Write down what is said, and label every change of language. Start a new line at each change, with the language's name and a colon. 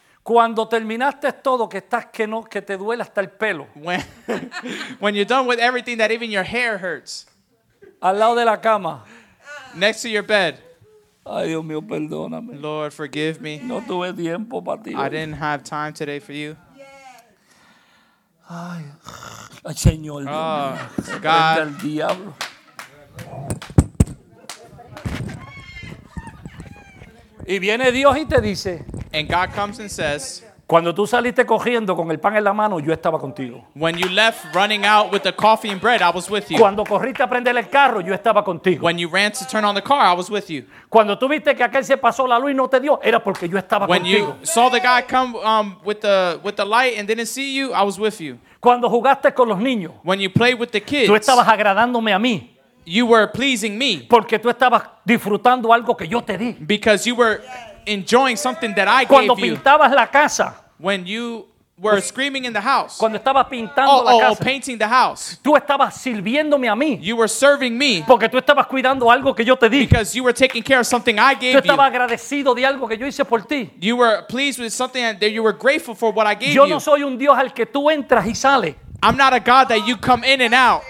Spanish: cuando terminaste todo, que estás que no, que te duele hasta el pelo.
English: When you're done with everything, that even your hair hurts.
Spanish: Al lado de la cama.
English: Next to your bed.
Spanish: Ay, Dios mío, perdóname.
English: Lord, forgive me.
Spanish: No tuve tiempo para ti.
English: I didn't have time today for you.
Spanish: Ay, Señor.
English: Oh, God.
Spanish: El diablo. Y viene Dios y te dice,
English: and God comes and says,
Spanish: cuando tú saliste corriendo con el pan en la mano, yo estaba contigo.
English: When you left running out with the coffee and bread, I was with you.
Spanish: Cuando corriste a prender el carro, yo estaba contigo.
English: When you ran to turn on the car, I was with you.
Spanish: Cuando tú viste que aquel se pasó la luz y no te dio, era porque yo estaba
English: when
Spanish: contigo.
English: When you saw the guy come with the light and didn't see you, I was with you.
Spanish: Cuando jugaste con los niños,
English: when you played with the kids,
Spanish: tú estabas agradándome a mí.
English: You were pleasing me.
Spanish: Porque tú estabas disfrutando algo que yo te di.
English: Because you were enjoying something that I
Spanish: cuando
English: gave you.
Spanish: Cuando pintabas la casa.
English: When you were screaming in the house.
Spanish: Cuando estabas pintando la casa.
English: Oh, painting the house.
Spanish: Tú estabas sirviéndome a mí.
English: You were serving me.
Spanish: Porque tú estabas cuidando algo que yo te di.
English: Because you were taking care of something I gave you.
Spanish: Tú estabas agradecido de algo que yo hice por ti.
English: You were pleased with something that you were grateful for what I gave you.
Spanish: Yo no soy un Dios al que tú entras y sales.
English: I'm not a God that you come in and out.